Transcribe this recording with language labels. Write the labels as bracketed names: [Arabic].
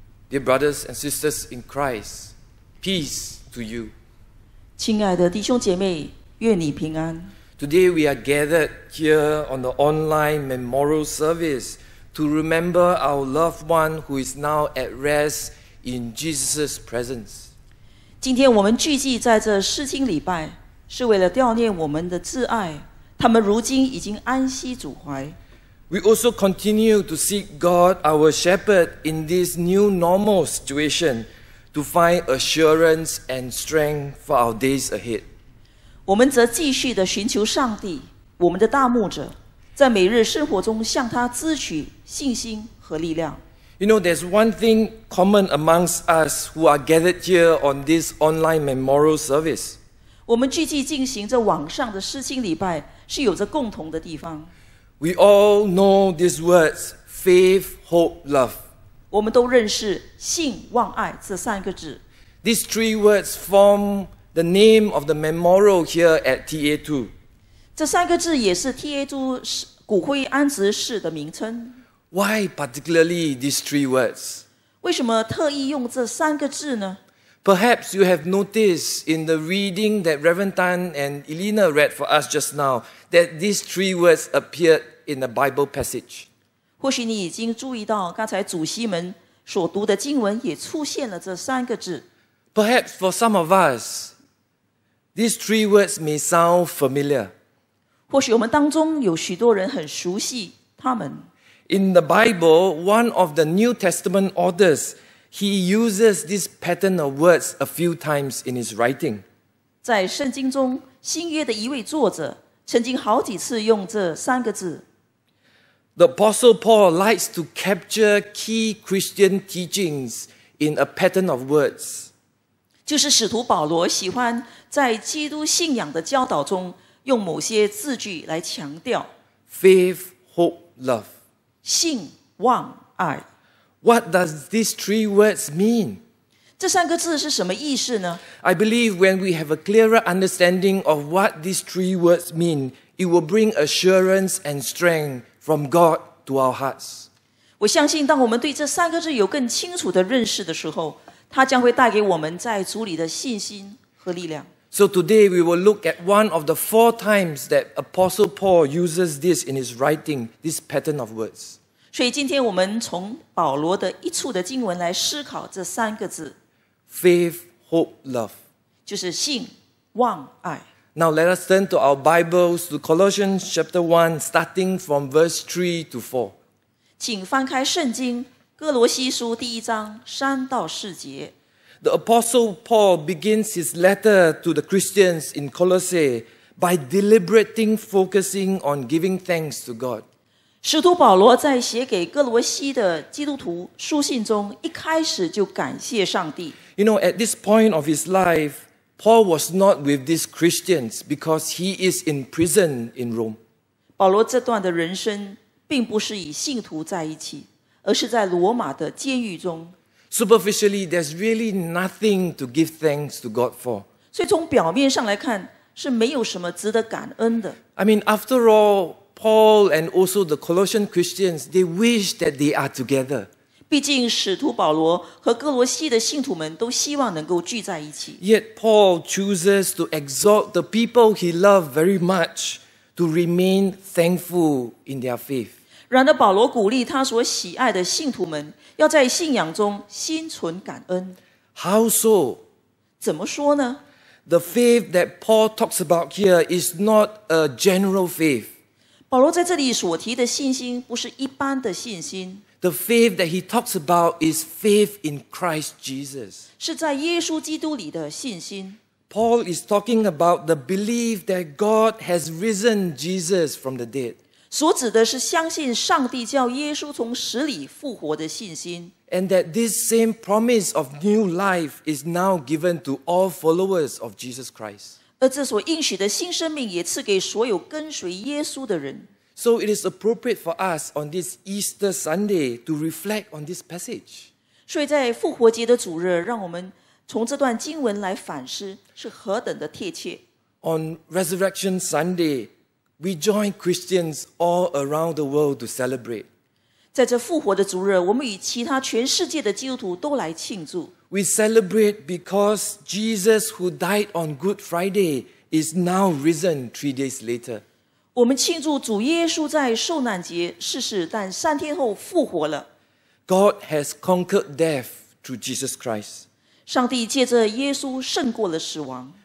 [English] Dear brothers and sisters in Christ, peace to you. [Chinese] 亲爱的弟兄姐妹，愿你平安。 [English] Today we are gathered here on the online memorial service to remember our loved one who is now at rest in Jesus' presence. [Chinese] 今天我们聚集在这思亲礼拜，是为了悼念我们的挚爱，他们如今已经安息主怀。 [English] We also continue to seek God, our Shepherd, in this new normal situation, to find assurance and strength for our days ahead. [Chinese] 我们则继续地寻求上帝，我们的大牧者，在每日生活中向他支取信心和力量。 [English] You know, there's one thing common amongst us who are gathered here on this online memorial service. [Chinese] 我们聚集进行这网上的思亲礼拜是有着共同的地方。 [English] We all know these words, faith, hope, love. [Chinese] 我们都认识信望爱这三个字。 [English] These three words form the name of the memorial here at TA2. [Chinese] 这三个字也是 TA2 骨灰安置室的名称。 [English] Why particularly these three words? [Chinese] 为什么特意用这三个字呢? [English] Perhaps you have noticed in the reading that Reverend Tan and Elena read for us just now that these three words appeared in the Bible passage. [Chinese] 或许你已经注意到刚才主席们所读的经文也出现了这三个字。 [English] Perhaps for some of us, these three words may sound familiar. [Chinese] 或许我们当中有许多人很熟悉他们。 [English] In the Bible, one of the New Testament authors, he uses this pattern of words a few times in his writing. [Chinese] 在圣经中，新约的一位作者曾经好几次用这三个字。 [English] The Apostle Paul likes to capture key Christian teachings in a pattern of words. [Chinese] 就是使徒保罗喜欢在基督信仰的教导中用某些字句来强调。 [English] Faith, hope, love. [Chinese] 信望爱。 [English] What does these three words mean? [Chinese] 这三个字是什么意思呢? [English] I believe when we have a clearer understanding of what these three words mean, it will bring assurance and strength from God to our hearts. [Chinese] 我相信当我们对这三个字有更清楚的认识的时候，它将会带给我们在主里的信心和力量。 [English] So today we will look at one of the four times that Apostle Paul uses this in his writing, this pattern of words. [Chinese] 所以今天我们从保罗的一处的经文来思考这三个字。 [English] Faith, hope, love. [Chinese] 就是信、望、爱。 [English] Now let us turn to our Bibles, to Colossians chapter 1, starting from verse 3 to 4. [Chinese] 请翻开圣经，哥罗西书第一章三到四节。 [English] The Apostle Paul begins his letter to the Christians in Colossae by deliberately focusing on giving thanks to God. [Chinese] 使徒保罗在写给哥罗西的基督徒书信中一开始就感谢上帝。 [English] You know, at this point of his life, Paul was not with these Christians because he is in prison in Rome. [Chinese] 保罗这段的人生并不是与信徒在一起，而是在罗马的监狱中。 [English] Superficially, there's really nothing to give thanks to God for. [Chinese] 所以从表面上来看，是没有什么值得感恩的。 [English] I mean, after all, Paul and also the Colossian Christians, they wish that they are together. [Chinese] 毕竟使徒保罗和哥罗西的信徒们都希望能够聚在一起。 [English] Yet Paul chooses to exhort the people he loved very much to remain thankful in their faith. [Chinese] 然而保罗鼓励他所喜爱的信徒们要在信仰中心存感恩。 [English] How so? [Chinese] 怎么说呢？ [English] The faith that Paul talks about here is not a general faith. [Chinese] 保罗在这里所提的信心不是一般的信心。 [English] The faith that he talks about is faith in Christ Jesus. [Chinese] 是在耶稣基督里的信心。 [English] Paul is talking about the belief that God has risen Jesus from the dead. [Chinese] 所指的是相信上帝叫耶稣从死里复活的信心。 [English] And that this same promise of new life is now given to all followers of Jesus Christ. [Chinese] 而这所应许的新生命也赐给所有跟随耶稣的人。 [English] So it is appropriate for us on this Easter Sunday to reflect on this passage. [Chinese] 所以在复活节的主日，让我们从这段经文来反思，是何等的贴切。 [English] On Resurrection Sunday, we join Christians all around the world to celebrate. [Chinese] 在这复活的主日，我们与其他全世界的基督徒都来庆祝。 [English] We celebrate because Jesus, who died on Good Friday, is now risen 3 days later. [Chinese] 我们庆祝主耶稣在受难节逝世，但三天后复活了。 [English] God has conquered death through Jesus Christ. [Chinese] 上帝借着耶稣胜过了死亡。